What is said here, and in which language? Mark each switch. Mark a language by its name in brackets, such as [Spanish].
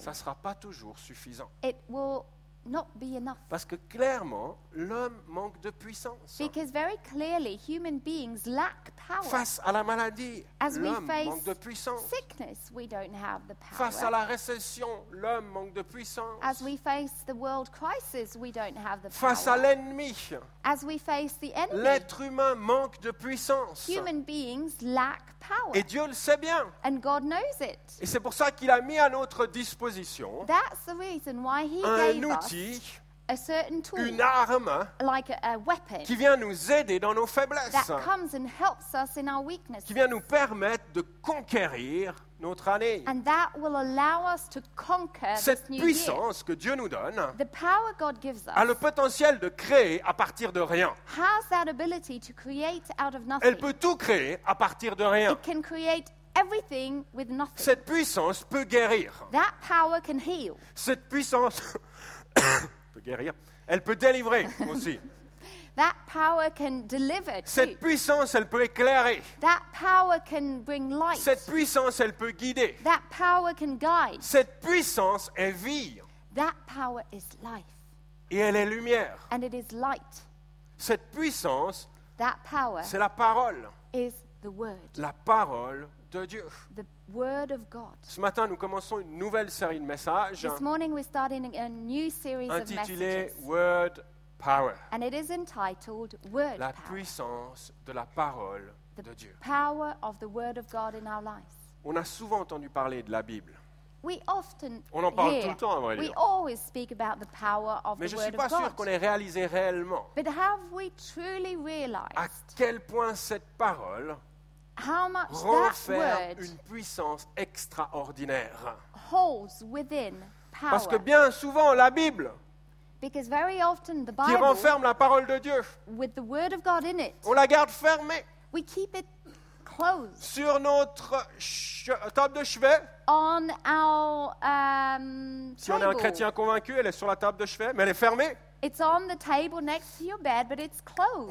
[French] ça ne sera pas toujours suffisant. [English] It will not be enough. [French] Parce que clairement, l'homme manque de puissance. [English] Because very clearly, human beings lack power. [French] Face à la maladie, [English] as [French] l'homme manque de puissance. [English] Sickness, we don't have the power. [French] Face à la récession, l'homme manque de puissance. [English] As we face the world crisis, we don't have the power. [French] Face à l'ennemi, [English] as we face the enemy, [French] l'être humain manque de puissance. [English] Human beings lack power. [French] Et Dieu le sait bien. [English] And God knows it. [French] Et c'est pour ça qu'il a mis à notre disposition. [English] That's the reason why he gave us a certain tool, [French] une arme, [English] like a weapon, [French] qui vient nous aider dans nos faiblesses, [English] that comes and helps us in our weaknesses, [French] qui vient nous permettre de conquérir notre année. [English] And that will allow us to conquer [French] cette [English] this new [French] puissance [English] year. [French] Que Dieu nous donne, [English] the power God gives us, [French] a le potentiel de créer à partir de rien. [English] Has that ability to create out of nothing. [French] Elle peut tout créer à partir de rien. [English] It can create everything with nothing. [French] Cette puissance peut guérir. [English] That power can heal. [French] Cette puissance peut guérir. Elle peut délivrer aussi. [English] That power can deliver too. [French] Cette puissance, elle peut éclairer. [English] That power can bring light. [French] Cette puissance, elle peut guider. [English] That power can guide. [French] Cette puissance est vie. [English] That power is life. [French] Et elle est lumière. [English] And it is light. [French] Cette puissance, [English] that power, [French] c'est la parole. [English] Is the word. [French] La parole de Dieu. [English] The word of God. [French] Ce matin, nous commençons une nouvelle série de messages. [English] This morning we're starting a new series [French] intitulée [English] of messages. Word Power. And it is entitled Word Power. [French] La puissance de la parole [English] the [French] de Dieu. [English] Power of the word of God in our lives. [French] On a souvent entendu parler de la Bible. [English] We often [French] on en parle [English] hear, [French] tout le temps, à vrai [English] we [French] dire. [English] Always speak about the power of [French] mais [English] the [French] je [English] word [French] suis pas sûr [English] God. [French] Qu'on ait réalisé réellement. [English] But have we truly realized [French] à quel point cette parole [English] how much [French] renferme [English] that word [French] une puissance extraordinaire. [English] Holds within power. [French] Parce que bien souvent, la Bible, [English] because very often the Bible, [French] qui renferme la parole de Dieu, [English] with the word of God in it, [French] on la garde fermée. [English] We keep it closed. [French] Sur notre table de chevet. [English] On our, [French] si on est un chrétien convaincu, elle est sur la table de chevet, mais elle est fermée. [English] It's on the table next to your bed, but it's closed.